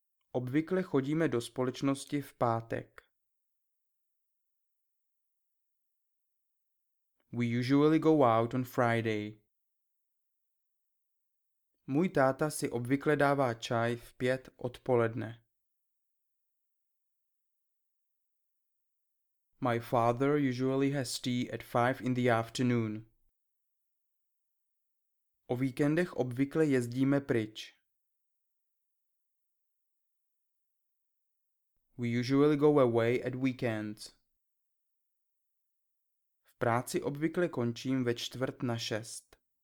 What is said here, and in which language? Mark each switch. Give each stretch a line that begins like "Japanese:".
Czech: Obvykle chodíme do společnosti v pátek.
English: We usually go out on Friday.
Czech: Můj táta si obvykle dává čaj v 5 odpoledne.
English: My father usually has tea at 5 in the afternoon.
Czech: O víkendech obvykle jezdíme pryč.
English: We usually go away at weekends.
Czech: V práci obvykle končím ve 6:15.